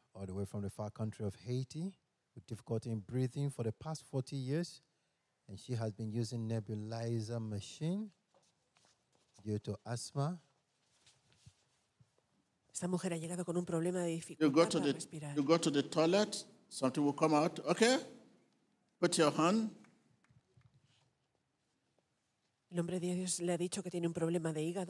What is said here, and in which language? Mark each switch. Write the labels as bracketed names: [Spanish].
[English] All the way from the far country of Haiti, with difficulty in breathing for the past 40 years, and she has been using nebulizer machine due to asthma. [Spanish] Esta mujer ha llegado con un problema de dificultad para respirar. [English] You go to the toilet, something will come out. Okay? Put your hand. [Spanish] El hombre de Dios le ha dicho que tiene un problema de hígado.